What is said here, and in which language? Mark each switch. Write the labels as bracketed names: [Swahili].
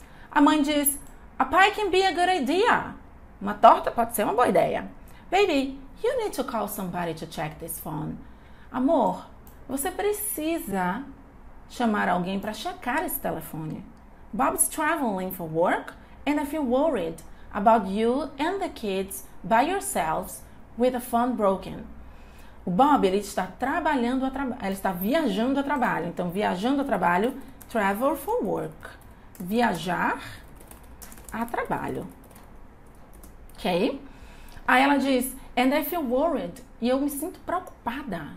[Portuguese] A mãe diz: [English] A pie can be a good idea. [Portuguese] Uma torta pode ser uma boa ideia. [English] Baby, you need to call somebody to check this phone. [Portuguese] Amor, você precisa chamar alguém para checar esse telefone. [English] Bob's traveling for work and I feel worried about you and the kids by yourselves with a phone broken. [Portuguese] O Bob, ele está trabalhando a trabalho, ele está viajando a trabalho. Então, viajando a trabalho, [English] travel for work. [Portuguese] Viajar a trabalho. Ok? Aí ela diz, [English] and I feel worried. [Portuguese] E eu me sinto preocupada.